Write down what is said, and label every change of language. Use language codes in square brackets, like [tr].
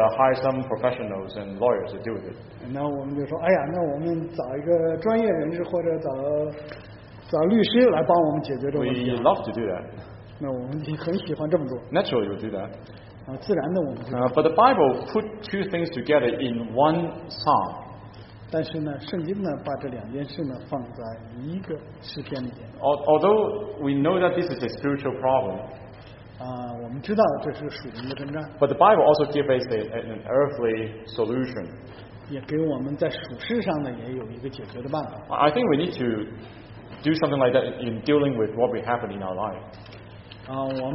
[en] hire some professionals and lawyers to deal with it. [zh] 那我们就说，哎呀，那我们找一个专业人士或者找。找律师来帮我们解决这个问题。 [en] We love to do that. [zh] 那我们很喜欢这么做。 [en] Naturally, we'll do that. [zh] 自然的我们就。 [en] But the Bible put two things together in one psalm. [zh] 但是呢，圣经呢，把这两件事呢放在一个诗篇里面。 [en] Although we know that this is a spiritual problem. [zh] 我们知道这是属灵的征战。 [en] But the Bible also gives us an earthly solution. [zh] 也给我们在属世上呢也有一个解决的办法。 [en] I think we need to do something like that in dealing with what we happen in our life.